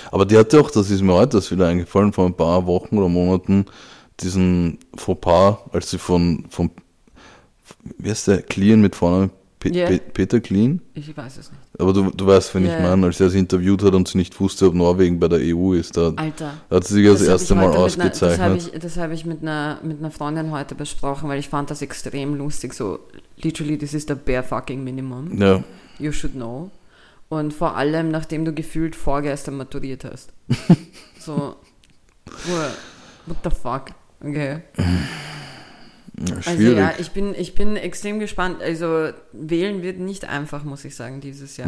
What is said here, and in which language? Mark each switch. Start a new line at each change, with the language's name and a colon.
German: aber die hatte auch, das ist mir heute wieder eingefallen, vor ein paar Wochen oder Monaten, diesen Fauxpas, als sie von wie heißt der, Clean mit Vornamen? Peter Clean? Ich weiß es nicht. Aber du weißt, wenn ich meine, als er sie interviewt hat und sie nicht wusste, ob Norwegen bei der EU ist, da Alter, hat sie sich das erste Mal ausgezeichnet. Das habe ich mit einer Freundin heute besprochen, weil ich fand das extrem lustig.
English: So, literally, this is the bare fucking minimum.
German: Ja.
English: You should know.
German: Und vor allem, nachdem du gefühlt vorgestern maturiert hast.
English: So, what the fuck? Okay.
German: Schwierig. Also ja, ich bin extrem gespannt. Also wählen wird nicht einfach, muss ich sagen, dieses Jahr.